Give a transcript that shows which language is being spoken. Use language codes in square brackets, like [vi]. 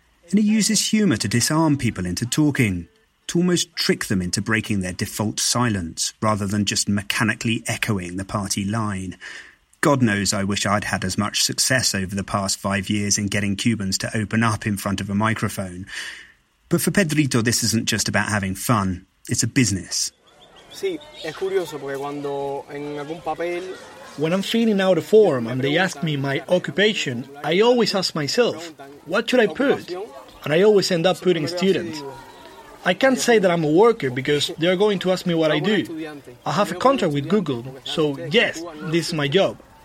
[en] And he uses humour to disarm people into talking, to almost trick them into breaking their default silence rather than just mechanically echoing the party line. God knows I wish I'd had as much success over the past 5 years in getting Cubans to open up in front of a microphone. But for Pedrito, this isn't just about having fun. It's a business. [es] Sí, es curioso porque cuando en algún papel... [en] When I'm filling out a form and they ask me my occupation, I always ask myself, what should I put? And I always end up putting student. I can't say that I'm a worker because they're going to ask me what I do. I have a contract with Google, so yes, this is my job.